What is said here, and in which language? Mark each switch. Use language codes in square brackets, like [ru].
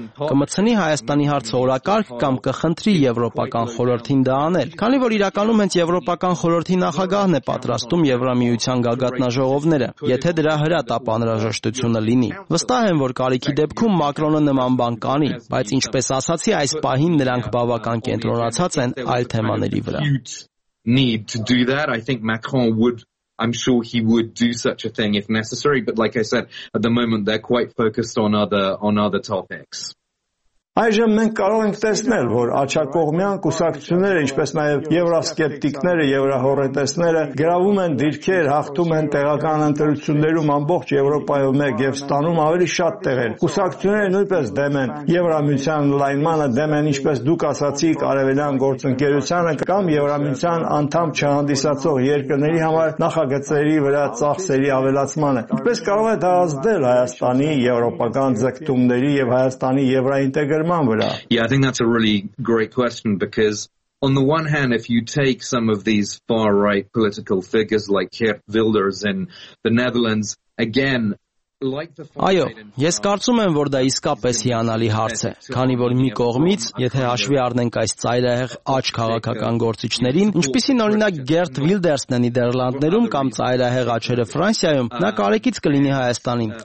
[hy] կմցնի Հայաստանի հարցը օրակարգ կամ կխնդրի Եվրոպական խորհրդին դա անել, քանի որ իրականում հենց Եվրոպական խորհրդի նախագահն է պատրաստում Եվրամիության գագաթնաժողովները, եթե դրա հրատապ անհրաժեշտությունը լինի։ Վստահ եմ, որ կարիքի դեպքում Մակրոնը նման բան կանի, բայց ինչպես ասացի, այս պահին նրանք բավական կենտրոնացած են այլ թեմաների վրա։ [en] Need to do that, I think Macron would, I'm sure he would do such a thing if necessary, but like I said, at the moment they're quite focused on other topics. [hy] Այժմ մենք կարող ենք տեսնել, որ աջակողմյան կուսակցությունները, ինչպես նաև եվրոսկեպտիկները, եվրահորետեսները գրավում են դիրքեր, հաղթում են տեղական ընտրություններում ամբողջ Եվրոպայով մեկ և ստանում ավելի շատ տեղեր։ Կուսակցությունները նույնպես դեմ են Եվրամիության լայնմանը, դեմ են, ինչպես դուք ասացիք, արևելյան գործընկերությանը կամ Եվրամիության անդամ չհանդիսացող երկրների համար նախագծերի վրա ծախսերի ավելացմանը։ Ինչպես կարող է դա ազդել Հայաստանի եվրոպական ձգտումների և Հայաստանի եվրոինտեգրացիայի [en] Yeah, I think that's a really great question because on the one hand, if you take some of these far-right political figures like Geert Wilders in the Netherlands, again... [hy] Այո, ես կարծում եմ, որ դա իսկապես հիանալի հարց է, քանի որ մի կողմից, եթե հաշվի առնենք այս ծայրահեղ աչք քաղաքական գործիչներին, ինչպիսին օրինակ Գերտ Վիլդերսն է Նիդերլանդներում կամ ծայրահեղ աչերը Ֆրանսիայում, նա կարեկից կլինի Հայաստանին,